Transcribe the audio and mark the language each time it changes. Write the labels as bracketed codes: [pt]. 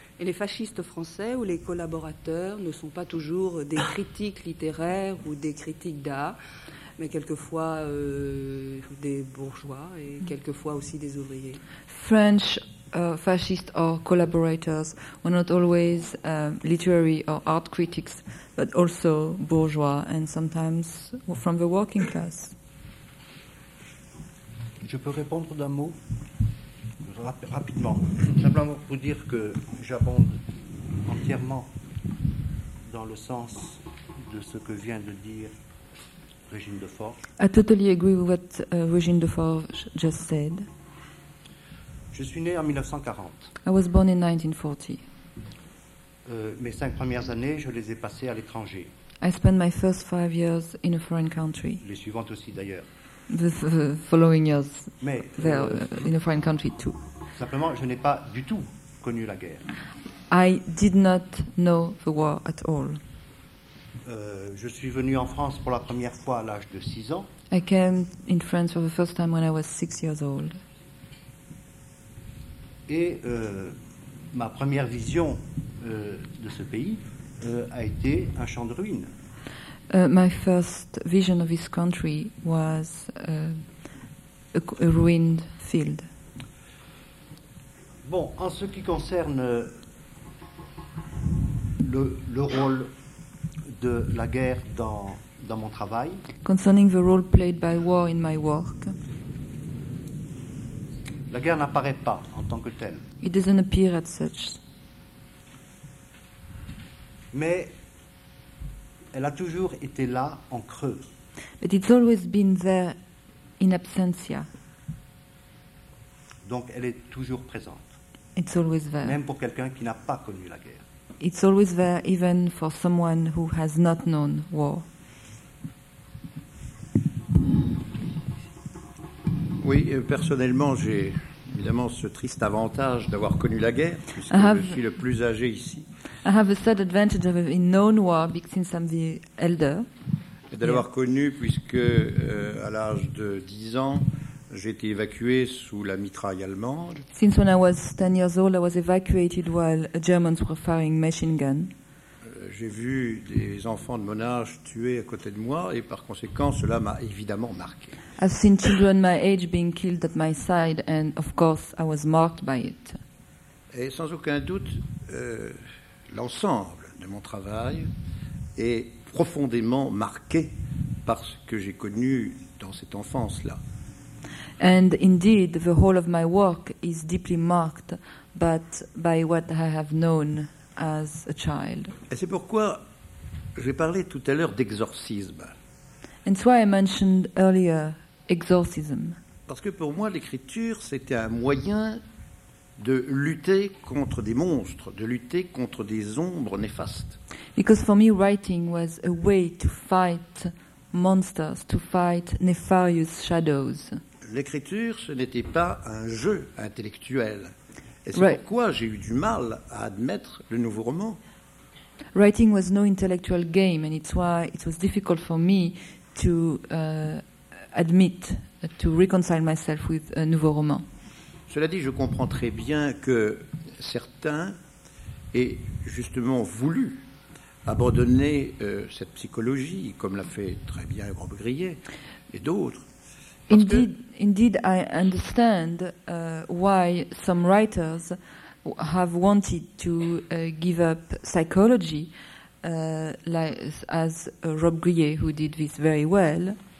[fr] Et les fascistes français ou les collaborateurs ne sont pas toujours des critiques littéraires ou des critiques d'art, mais quelquefois des bourgeois et quelquefois aussi des ouvriers. [en] French fascists or collaborators were not always literary or art critics, but also bourgeois and sometimes from the working class. [fr] Je peux répondre d'un mot rapidement. Simplement pour dire que j'abonde entièrement dans le sens de ce que vient de dire Régine Defort. [en] I totally agree with what Régine Defort just said. [fr] Je suis né en 1940. [en] I was born in 1940. [fr] Mes cinq premières années, je les ai passées à l'étranger. [en] I spent my first 5 years in a foreign country. [fr] Les suivantes aussi, d'ailleurs. [en] The following years. Mais there, in a foreign country too. [fr] Simplement, je n'ai pas du tout connu la guerre. [en] I did not know the war at all. [fr] Je suis venu en France pour la première fois à l'âge de 6 ans. [en] I came in France for the first time when I was 6 years old. [fr] Et ma première vision de ce pays a été un champ de ruines. [en] My first vision of this country was a ruined field. [fr] Bon, en ce qui concerne le rôle de la guerre dans mon travail. [en] Concerning the role played by war in my work. [fr] La guerre n'apparaît pas en tant que telle. [en] It doesn't appear as such. [fr] Mais elle a toujours été là en creux. [en] But it's always been there in absentia. [fr] Donc elle est toujours présente. [en] It's always there. [fr] Même pour quelqu'un qui n'a pas connu la guerre. [en] It's always there even for someone who has not known war. [fr] Oui, personnellement, j'ai évidemment ce triste avantage d'avoir connu la guerre, puisque je suis le plus âgé ici. [en] I have a sad advantage of having known war, since I'm the elder. [fr] Et d'avoir connu, puisque à l'âge de 10 ans, j'ai été évacué sous la mitraille allemande. [en] Since when I was 10 years old, I was evacuated while Germans were firing machine guns. [fr] J'ai vu des enfants de mon âge tués à côté de moi et par conséquent, cela m'a évidemment marqué. [en] I've seen children my age being killed at my side and of course I was marked by it. [fr] Et sans aucun doute, l'ensemble de mon travail est profondément marqué par ce que j'ai connu dans cette enfance-là. [en] And indeed, the whole of my work is deeply marked by what I have known as a child. [fr] Et c'est pourquoi j'ai parlé tout à l'heure d'exorcisme. [en] And so I mentioned earlier exorcism. [fr] Parce que pour moi, l'écriture, c'était un moyen de lutter contre des monstres, de lutter contre des ombres néfastes. [en] Because for me, writing was a way to fight monsters, to fight nefarious shadows. [fr] L'écriture, ce n'était pas un jeu intellectuel. Et c'est pourquoi j'ai eu du mal à admettre le nouveau roman. [en] Writing was no intellectual game, and it's why it was difficult for me to admit, to reconcile myself with a nouveau roman. [fr] Cela dit, je comprends très bien que certains aient justement voulu abandonner cette psychologie, comme l'a fait très bien Robbe-Grillet et d'autres. [en] Indeed, I understand why some writers have wanted to give up psychology, like as Robbe-Grillet, who did this very well.